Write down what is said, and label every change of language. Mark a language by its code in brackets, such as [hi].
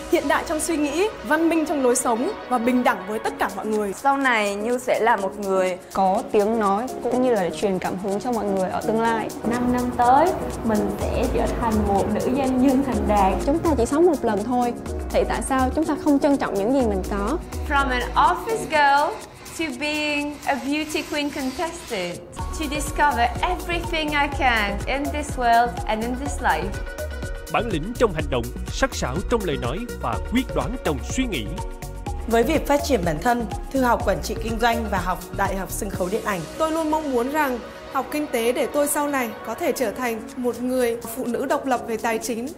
[vi] hiện đại trong suy nghĩ, văn minh trong lối sống và bình đẳng với tất cả mọi người. Sau này Như sẽ là một người có tiếng nói cũng như là truyền cảm hứng cho mọi người ở tương lai. 5 năm tới mình sẽ trở thành một nữ doanh nhân thành đạt. Chúng ta chỉ sống một lần thôi, thì tại sao chúng ta không trân trọng những gì mình có? [en] From an office girl to being a beauty queen contestant, to discover everything I can in this world and in this life. [vi] Bản lĩnh trong hành động, sắc sảo trong lời nói và quyết đoán trong suy nghĩ. Với việc phát triển bản thân, Thư học quản trị kinh doanh và học đại học sân khấu điện ảnh, tôi luôn mong muốn rằng học kinh tế để tôi sau này có thể trở thành một người phụ nữ độc lập về tài chính.